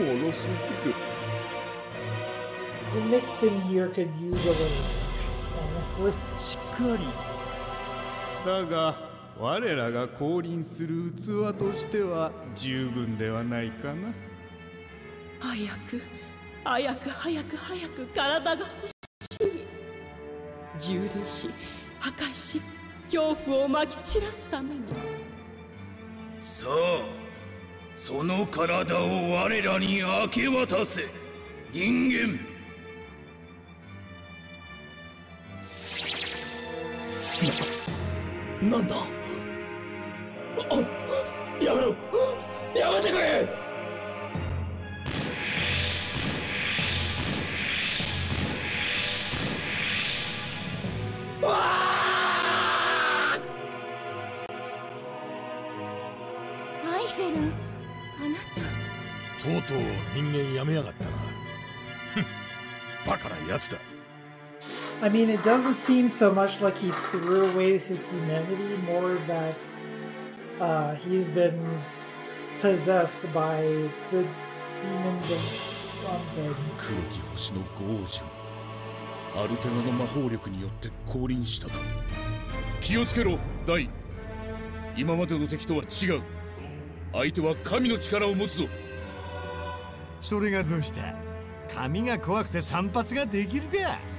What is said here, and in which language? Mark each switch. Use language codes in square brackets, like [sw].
[en] The mixing here could use a little work, honestly. [ja] しっかり。だが、我らが降臨する器としては十分ではないかな。早く、早く、早く、早く、体が欲しい。蹂躙し、破壊し。恐怖をまき散らすために。さあその体を我らに明け渡せ、人間。なんだ、やめろ、やめてくれ。アイフェル、あなた。とうとう人間やめやがったな。バカなやつだ。 [en] I mean, it doesn't seem so much like he threw away his humanity, more that he's been possessed by the demons of something. [ja] 黒き星のゴージャン、アルテナの魔法力によって降臨したか。気をつけろ、ダイン。今までの敵とは違う。相手は神の力を持つぞ。それがどうした？神が怖くて散髪ができるか？